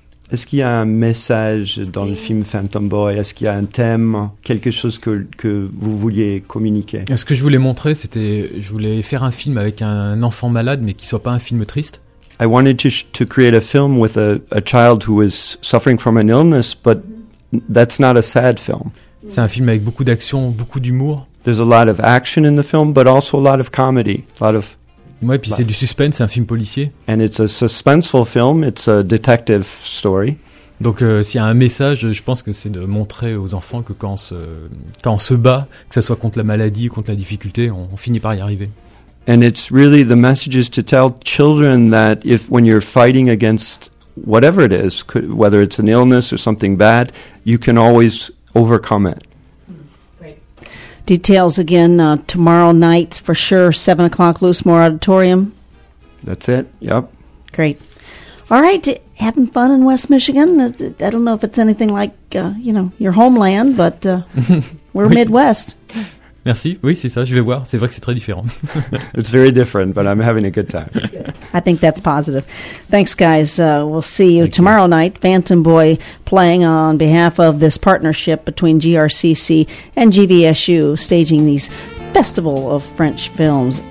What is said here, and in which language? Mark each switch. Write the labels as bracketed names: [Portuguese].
[French] Est-ce qu'il y a un message dans le film Phantom Boy? Est-ce qu'il y a un thème, quelque chose que vous vouliez communiquer? Ce que je voulais montrer, c'était, je voulais faire un film avec un enfant malade, mais qui soit pas un film triste. [English] I wanted to create a film with a child who is suffering from an illness, but that's not a sad film. [French] C'est un film avec beaucoup d'action, beaucoup d'humour. [English] There's a lot of action in the film, but also a lot of comedy, a lot of. [French] Ouais, puis c'est du suspense, c'est un film policier. [English] And it's a suspenseful film, it's a detective story. [French] Donc s'il y a un message, je pense que c'est de montrer aux enfants que quand on se bat, que ce soit contre la maladie ou contre la difficulté, on finit par y arriver. [English] And it's really the message is to tell children that if when you're fighting against whatever it is, whether it's an illness or something bad, you can always overcome it. Details again tomorrow night for sure, 7 o'clock, Loosemore Auditorium. That's it, yep. Great. All right, having fun in West Michigan. I don't know if it's anything like, your homeland, but we're [French] oui. [English] Midwest. [French] Merci, oui, c'est ça, je vais voir. C'est vrai que c'est très différent. [English] It's very different, but I'm having a good time. I think that's positive. Thanks, guys. We'll see you Thank tomorrow you. Night. Phantom Boy playing on behalf of this partnership between GRCC and GVSU, staging these Festival of French Films.